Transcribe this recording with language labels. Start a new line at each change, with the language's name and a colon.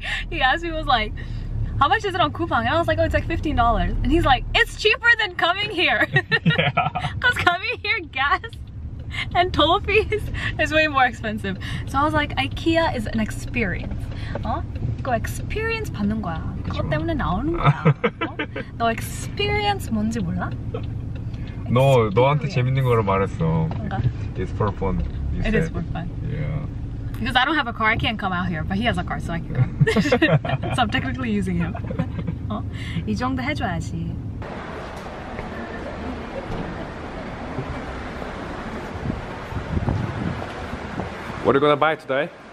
English: he asked me, how much is it on Coupang? And I was like, oh, it's like $15. And he's like, it's cheaper than coming here. Yeah. Because coming here, gas and toll fees is way more expensive. So I was like, IKEA is an experience.
Korean: 어? 이거 experience 받는 거야. 그것 때문에 나오는 거야. 어? 너 experience 뭔지 몰라? 너, 너한테 재밌는 거를 말했어. 뭔가?
English: It's for fun. It is for fun. Yeah. Because I don't have a car, I can't come out here. But he has a car, so I can go. So I'm technically using him.
Korean: 어? 이 정도 해줘야지.
English: What are you gonna buy today?